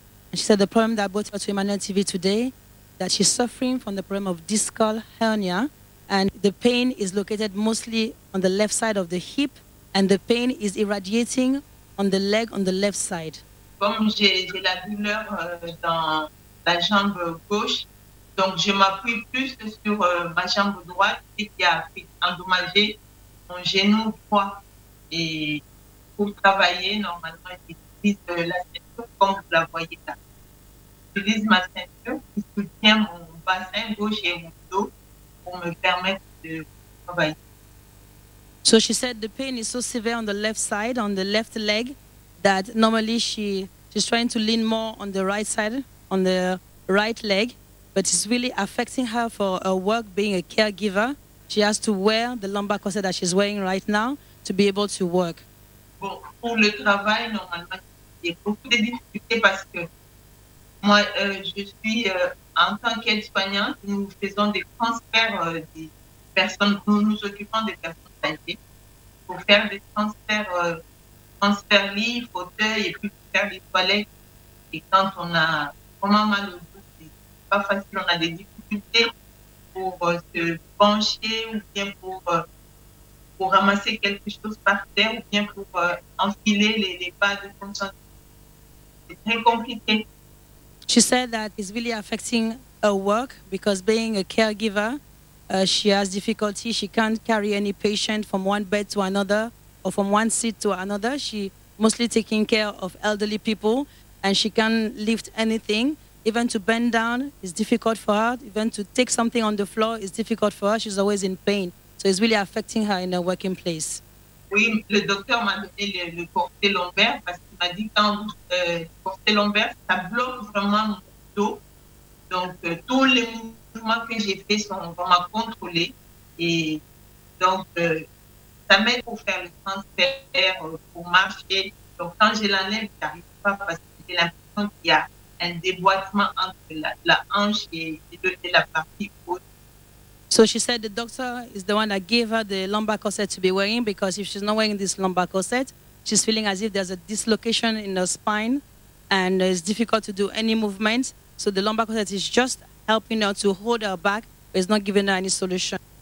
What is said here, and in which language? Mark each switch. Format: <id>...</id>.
<en>And she said the problem that brought her to Emmanuel TV today, that she's suffering from the problem of discal hernia, and the pain is located mostly on the left side of the hip, and the pain is irradiating on the leg on the left side.</en> <fr>Comme j'ai la douleur dans la jambe gauche, donc je m'appuie plus sur ma jambe droite qui a endommagé mon genou droit. Et pour travailler, normalement, j'utilise la ceinture comme vous la voyez là. J'utilise ma ceinture qui soutient mon bassin gauche et mon dos pour me permettre de travailler.</fr> <en>So she said the pain is so severe on the left side, on the left leg, that normally she She's trying to lean more on the right side, on the right leg, but it's really affecting her for her work being a caregiver. She has to wear the lumbar corset that she's wearing right now to be able to work.</en> <fr>Pour le travail, normalement, il y a beaucoup de difficultés parce que moi, je suis en tant qu'aide-soignante, nous faisons des transferts des personnes, nous nous occupons des personnes âgées. Pour faire des transferts, transferts lits, fauteuils et puis pour faire des toilettes. Et quand on a vraiment mal au dos, c'est pas facile, on a des difficultés pour se pencher ou bien pour ramasser quelque chose par terre ou bien pour enfiler les pas de consentement. C'est très compliqué.</fr> <en>She said that it's really affecting her work because being a caregiver, she has difficulty. She can't carry any patient from one bed to another or from one seat to another. She mostly taking care of elderly people and she can't lift anything. Even to bend down is difficult for her. Even to take something on the floor is difficult for her. She's always in pain. So it's really affecting her in her working place.</en> <fr>Oui, le docteur m'a donné le corset lombaire parce qu'il m'a dit que quand corset lombaire, ça bloque vraiment mon dos. Donc, tous les mouvements que j'ai faits sont vraiment contrôlés. Et donc, ça m'aide pour faire le transfert, pour marcher. Donc, quand je l'enlève, je n'arrive pas parce que j'ai l'impression qu'il y a un déboîtement entre la hanche et la partie haute.</fr> <en>So she said the doctor is the one that gave her the lumbar corset to be wearing because if she's not wearing this lumbar corset, she's feeling as if there's a dislocation in her spine and it's difficult to do any movement. So the lumbar corset is just helping her to hold her back, but it's not giving her any solution.</en>